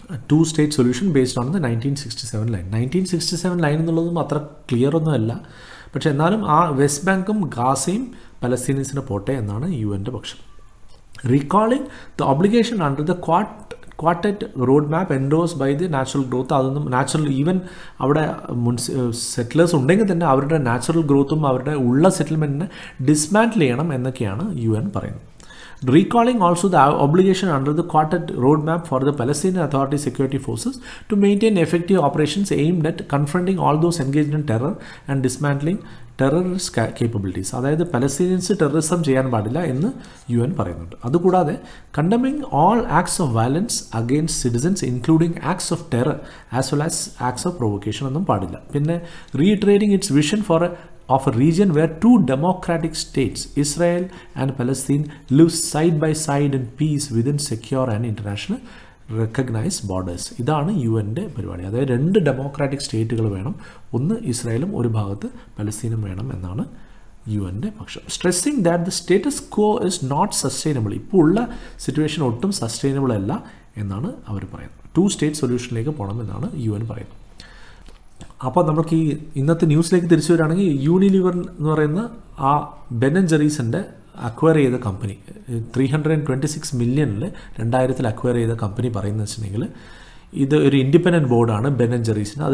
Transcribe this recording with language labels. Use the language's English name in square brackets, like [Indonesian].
[English] To state solution based on the 1967 line. [Malayalam] 1967 line എന്നുള്ളതും അത്ര clear ഒന്നുമല്ല, പക്ഷേ എന്നാലും ആ വെസ്റ്റ് ബാങ്കും ഗാസയും പലസ്തീനീസിനെ പോട്ടെ എന്നാണ് യു എൻ്റെ പക്ഷം. [English] Recalling the obligation under the quartet road map endorse by the natural growth. [Malayalam] അതൊന്നും നാച്ചുറൽ ഈവൻ അവിടെ സെറ്റിലേഴ്സ് ഉണ്ടെങ്കിൽ തന്നെ അവരുടെ നാച്ചുറൽ ഗ്രോത്തും അവരുടെ ഉള്ള സെറ്റിൽമെൻറ്റിനെ ഡിസ്മാൻറ്റിൽ ചെയ്യണം എന്നൊക്കെയാണ് യു എൻ പറയുന്നത്. [English] Recalling also the obligation under the quartet roadmap for the Palestinian Authority security forces to maintain effective operations aimed at confronting all those engaged in terror and dismantling terrorist capabilities. [Malayalam] അതായത് Palestinians terrorism ചെയ്യാൻ പാടില്ല എന്ന് U N പറയുന്നുണ്ട്. [English] അതുകൂടാതെ condemning all acts of violence against citizens including acts of terror as well as acts of provocation [Malayalam] ഒന്നും പാടില്ല. പിന്നെ [English] Reiterating its vision for of a region where two democratic states, Israel and Palestine, live side by side in peace within secure and international recognized borders. [Malayalam] ഇതാണ് U എൻ്റെ പരിപാടി. അതായത് രണ്ട് democratic സ്റ്റേറ്റുകൾ വേണം, ഒന്ന് ഇസ്രായേലും ഒരു ഭാഗത്ത് പലസ്തീനും വേണം എന്നാണ് യു എൻ്റെ പക്ഷം. [English] stressing that the status quo is not sustainable, [Malayalam] ഇപ്പോൾ ഉള്ള സിറ്റുവേഷൻ ഒട്ടും സസ്റ്റൈനബിൾ അല്ല എന്നാണ് അവർ പറയുന്നത്. ടു സ്റ്റേറ്റ് സൊല്യൂഷനിലേക്ക് പോകണമെന്നാണ് യു എൻ പറയുന്നത്. അപ്പോൾ നമുക്ക് ഈ ഇന്നത്തെ ന്യൂസിലേക്ക് തിരിച്ചു വരികയാണെങ്കിൽ യൂണിലിവർ എന്ന് പറയുന്ന ആ ബെൻ ആൻഡ് ജെറീസിൻ്റെ അക്വയർ ചെയ്ത കമ്പനി 326 മില്യണിൽ 2000 അക്വയർ ചെയ്ത കമ്പനി പറയുന്നത് വെച്ചിട്ടുണ്ടെങ്കിൽ ഇത് ഒരു ഇൻഡിപെൻഡൻറ്റ് ബോർഡാണ് ബെൻ ആൻഡ് ജെറീസിന്.